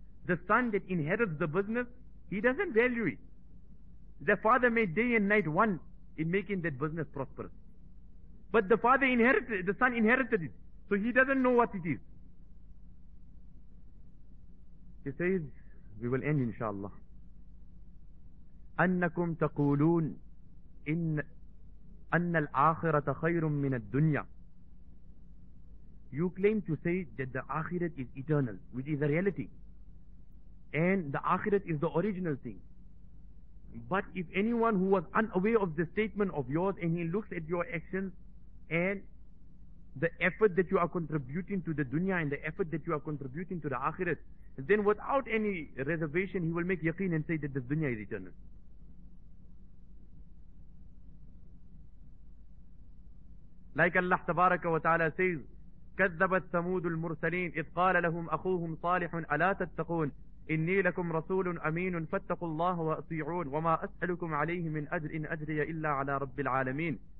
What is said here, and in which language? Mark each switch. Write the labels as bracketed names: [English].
[English] The son that inherits the business, he doesn't value it. The father made day and night one in making that business prosperous. But the father inherited, the son inherited it. So he doesn't know what it is. He says, we will end inshallah. [Arabic] أنكم تقولون إن الآخرة خير من الدنيا. [English] You claim to say that the Akhirat is eternal, which is a reality, and the Akhirat is the original thing. But if anyone who was unaware of the statement of yours and he looks at your actions and the effort that you are contributing to the dunya and the effort that you are contributing to the Akhirat, then without any reservation he will make yaqeen and say that the dunya is eternal. Like Allah tabaraka wa ta'ala says, [Arabic] كَذَّبَتْ ثَمُودُ الْمُرْسَلِينَ إِذْ قَالَ لَهُمْ أَخُوهُمْ صَالِحٌ أَلَا تَتَّقُونَ إني لكم رسول أمين فاتقوا الله وأطيعون وما أسألكم عليه من أجر إن أجري إلا على رب العالمين.